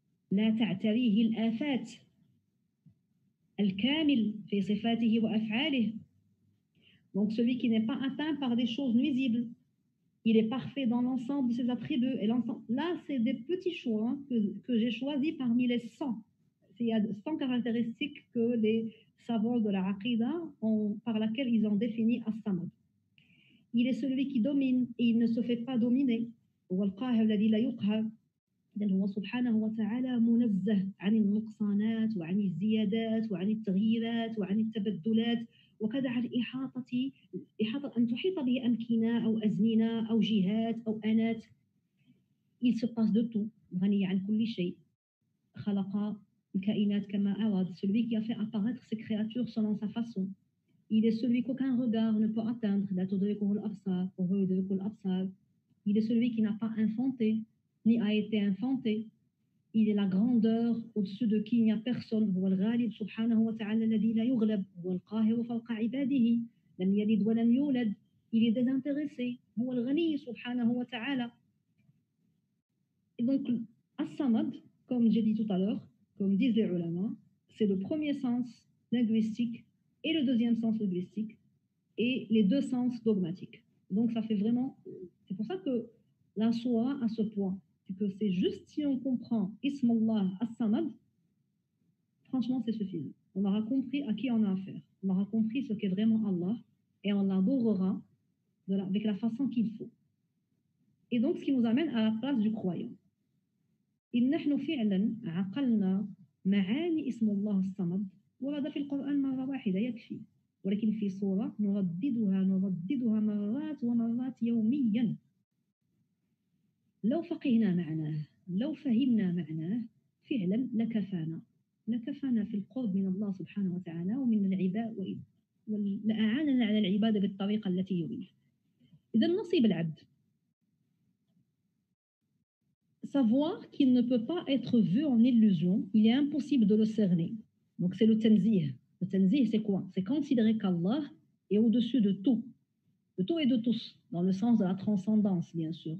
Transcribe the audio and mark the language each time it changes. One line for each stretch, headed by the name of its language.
Arabic: لا تعتريه الآفات الكامل في صفاته وأفعاله.
French: donc celui qui n'est pas atteint par des choses nuisibles, il est parfait dans l'ensemble de ses attributs et l'ensemble. là c'est des petits choix que j'ai choisi parmi les 100. il y a 100 caractéristiques que les savants de la Aqida ont, par laquelle ils ont défini As-Samad. Il est celui qui domine et il ne se fait pas dominer.
Arabic: والقاهر الذي لا يقهر لأنه سبحانه وتعالى منزه عن النقصانات وعن الزيادات وعن التغييرات وعن التبدلات وكذا عن إحاطة أن تحيط به أمكنة أو أزمنة أو جهات أو أنات.
French: Il se passe de tout,
Arabic: غني عن كل شيء. خلق الكائنات كما أراد.
French: Celui qui a fait apparaître ses créatures selon sa façon. Il est celui qu'aucun regard ne peut atteindre.
Arabic: لا تدرك الأبصار وهو يدرك الأبصار.
French: Il est celui qui n'a pas enfanté, ni a été enfanté. Il est la grandeur au-dessus de qui il n'y a personne.
Arabic: هو الغالب سبحانه وتعالى الذي لا يغلب. هو القاهر فوق عباده. لم يلد ولم يولد.
French: Il est désintéressé.
Arabic: هو الغني سبحانه وتعالى.
French: Et donc, As-Samad, comme j'ai dit tout à l'heure, comme disent les ulama, c'est le premier sens linguistique et le deuxième sens linguistique et les deux sens dogmatiques. Donc, ça fait vraiment... C'est pour ça que la sourate a ce point. C'est que c'est juste si on comprend Ismallah As-Samad, franchement, c'est suffisant. On aura compris à qui on a affaire. On aura compris ce qu'est vraiment Allah et on l'adorera avec la façon qu'il faut. Et donc, ce qui nous amène à la place du croyant.
Arabic: إِنَّ نَحْنُ فِعْلًا عَقَلْنَا مَعَانِ إِسْمُ اللَّهِ الصَّمَدِ وَرَدَ فِي الْقُرْآنِ مَرَّةً وَاحِدَةً يَكْفِي ولكن في صورة نرددها مرات ومرات يوميا لو فقهنا معناه لو فهمنا معناه فعلا لكفانا في القرب من الله سبحانه وتعالى ومن العباد ولأعاننا على العبادة بالطريقة التي يريد. إذا نصيب العبد
French: savoir qu'il ne peut pas être vu en illusion, il est impossible de le cerner. Donc c'est le tanzih. Le tanzih, c'est quoi? C'est considérer qu'Allah est au-dessus de tout. De tout et de tous, dans le sens de la transcendance, bien sûr.